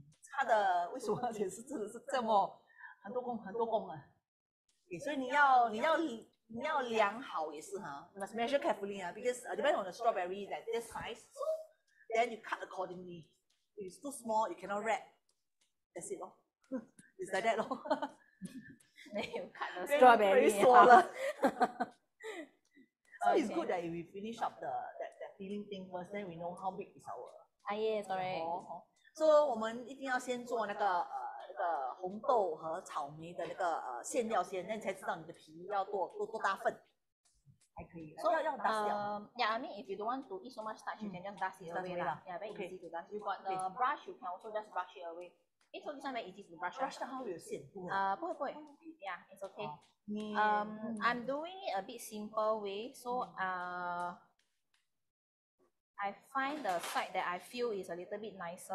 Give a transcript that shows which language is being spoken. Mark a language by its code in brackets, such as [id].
[zh] 它的为什么也是真的是这么很多功啊？所以你要量好也是 [en] You must measure carefully because depending on the strawberry that this size, so then you cut accordingly. If it's too small, you cannot wrap. That's it 咯 ，It's like that 咯。 then you cut the strawberry. Very small 了。 So it's good that we finish up that feeling thing first, then we know how big is our. Yes, correct. [zh] So, 我们一定要先做那个红豆和草莓的那个馅料先，那你才知道你的皮要多大份。还可以。 So, 要 dust 掉。 [en] Yeah, I mean, if you don't want to eat so much starch, you can just dust it away. Yeah, very easy to dust. You got the brush, you can also just brush it away. It's only very easy to brush. [zh] Brush 的话会有线。不会。 [en] Yeah, it's okay. I'm doing it a bit simple way, so, I find the side that I feel is a little bit nicer.